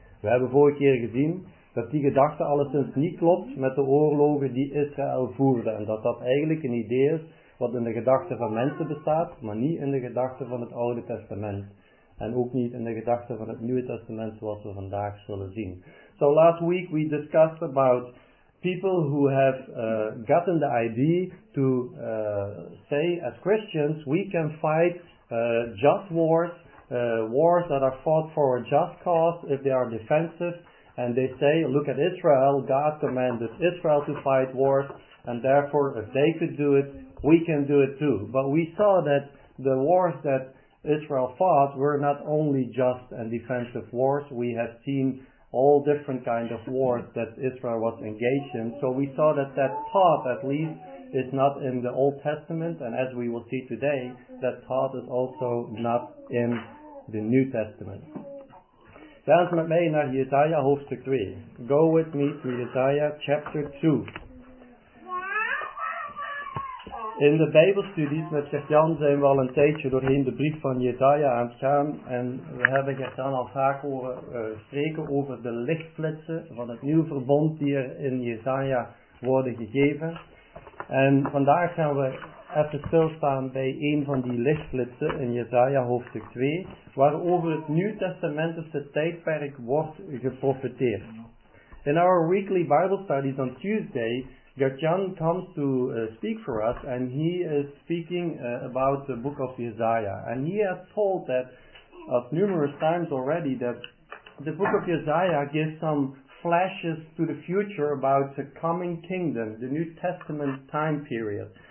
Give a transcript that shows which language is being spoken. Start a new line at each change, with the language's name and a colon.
Dutch: We hebben vorige keer gezien dat die gedachte alleszins niet klopt met de oorlogen die Israël voerde. En dat dat eigenlijk een idee is wat in de gedachte van mensen bestaat, maar niet in de gedachte van het Oude Testament. En ook niet in de gedachte van het Nieuwe Testament zoals we vandaag zullen zien.
English: So last week we discussed about people who have gotten the idea to say, as Christians, we can fight just wars, wars that are fought for a just cause if they are defensive. And they say, look at Israel, God commanded Israel to fight wars, and therefore if they could do it, we can do it too. But we saw that the wars that Israel fought were not only just and defensive wars. We have seen all different kinds of wars that Israel was engaged in. So we saw that that thought, at least, is not in the Old Testament. And as we will see today, that thought is also not in the New Testament.
Dutch: Dans met mij naar Jesaja hoofdstuk 3.
English: Go with me to Jesaja chapter 2.
Dutch: In de Bijbelstudies met Gert-Jan zijn we al een tijdje doorheen de brief van Jesaja aan het gaan. En we hebben Gert-Jan al vaak horen spreken over de lichtflitsen van het nieuwe verbond die er in Jesaja worden gegeven. En vandaag gaan we even stilstaan bij een van die lichtflitsen in Jesaja hoofdstuk 2, waarover het Nieuw Testamentische tijdperk wordt geprofeteerd.
English: In our weekly Bible studies on Tuesday, Gert-Jan comes to speak for us, and he is speaking about the book of Jesaja. And he has told that of numerous times already that the book of Jesaja gives some flashes to the future about the coming kingdom, the New Testament time period.